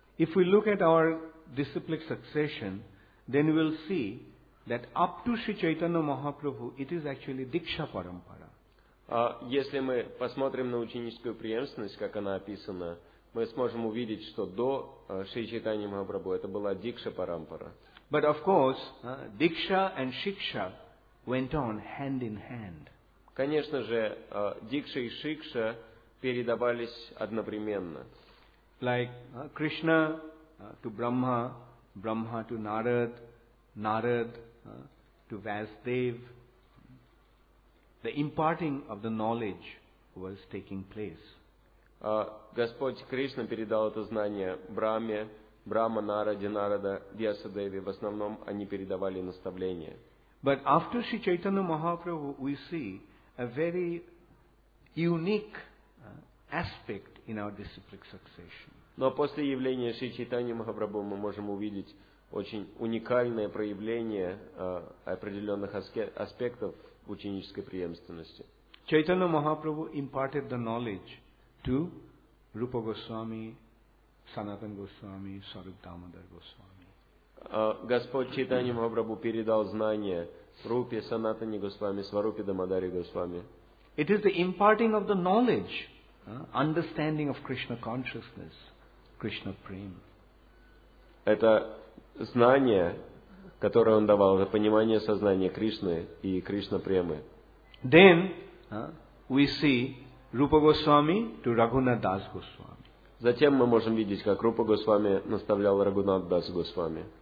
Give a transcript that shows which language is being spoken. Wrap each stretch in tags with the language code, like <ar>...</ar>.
<en>If we look at our disciplic succession, then we'll see that up to Sri Chaitanya Mahaprabhu, it is actually Diksha Parampara.</en> <ru>Если мы посмотрим на ученическую преемственность, как она описана, мы сможем увидеть, что до Шри Чайтанья Махапрабху это была Дикша Парампара.</ru> <en>But of course, Diksha and Shiksha went on hand in hand.</en> <ru>Конечно же, дикша и шикша передавались одновременно.</ru> <en>Like Krishna to Brahma, Brahma to Narad, Narad to Vasudev, the imparting of the knowledge was taking place.</en> <ru>Господь Кришна передал это знание Брахме, Брахма Нараде, Нарада Вьясадеве. В основном они передавали наставления.</ru> <en>But after Sri Chaitanya Mahaprabhu, we see a very unique aspect in our disciplic succession.</en> <ru>Но после явления Шри Чайтаньи Махапрабху мы можем увидеть очень уникальное проявление определенных аспектов ученической преемственности.</ru> <en>Chaitanya Mahaprabhu imparted the knowledge to Rupa Goswami, Sanatan Goswami, Swarup Damodar Goswami.</en> <ru>Господь Чайтанья Махапрабху передал знания Рупе, Санатане Госвами, Сварупе Дамодаре Госвами.</ru> <en>It is the imparting of the knowledge, understanding of Krishna consciousness, Krishna prema.</en> <ru>Это знание, которое он давал, это понимание сознания Кришны и Кришна премы.</ru> <en>Then we see Rupa Goswami to Raghunath Das Goswami.</en> <ru>Затем мы можем видеть, как Рупа Госвами наставлял Рагунат Дас Госвами.</ru>